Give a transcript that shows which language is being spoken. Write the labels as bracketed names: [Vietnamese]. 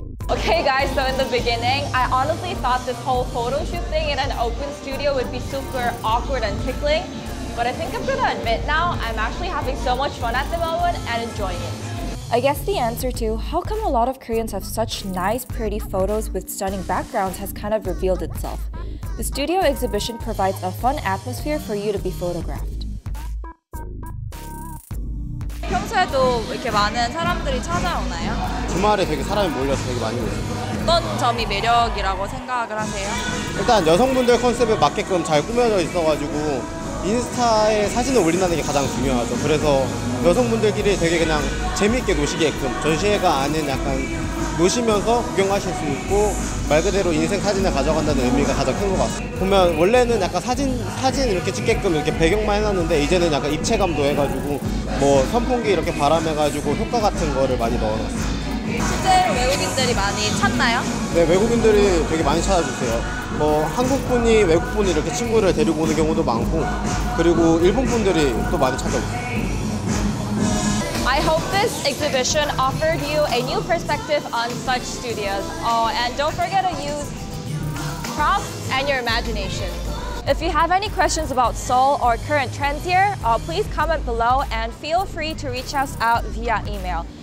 [English] Okay guys, so in the beginning, I honestly thought this whole photo shoot thing in an open studio would be super awkward and tickling, but I think I'm gonna admit now, I'm actually having so much fun at the moment and enjoying it. I guess the answer to how come a lot of Koreans have such nice, pretty photos with stunning backgrounds has kind of revealed itself. The studio exhibition provides a fun atmosphere for you to be photographed. [Korean] 평소에도 이렇게 많은 사람들이 찾아오나요? 주말에 되게 사람이 몰려서 되게 많이 오세요. 어떤 점이 매력이라고 생각을 하세요? 일단 여성분들 컨셉에 맞게끔 잘 꾸며져 있어가지고 인스타에 사진을 올린다는 게 가장 중요하죠. 그래서 여성분들끼리 되게 그냥 재미있게 노시게끔 전시회가 아닌 약간 노시면서 구경하실 수 있고 말 그대로 인생 사진을 가져간다는 의미가 가장 큰 것 같아요. 보면 원래는 약간 사진 이렇게 찍게끔 이렇게 배경만 해놨는데 이제는 약간 입체감도 해가지고 뭐 선풍기 이렇게 바람해가지고 효과 같은 거를 많이 넣어놨어요. 실제로 외국인들이 많이 찾나요? 네, 외국인들이 되게 많이 찾아주세요. 뭐 한국분이 외국분이 이렇게 친구를 데리고 오는 경우도 많고 그리고 일본분들이 또 많이 찾아오세요. [English] I hope this exhibition offered you a new perspective on such studios. Oh, and don't forget to use props and your imagination. If you have any questions about Seoul or current trends here, please comment below and feel free to reach us out via email.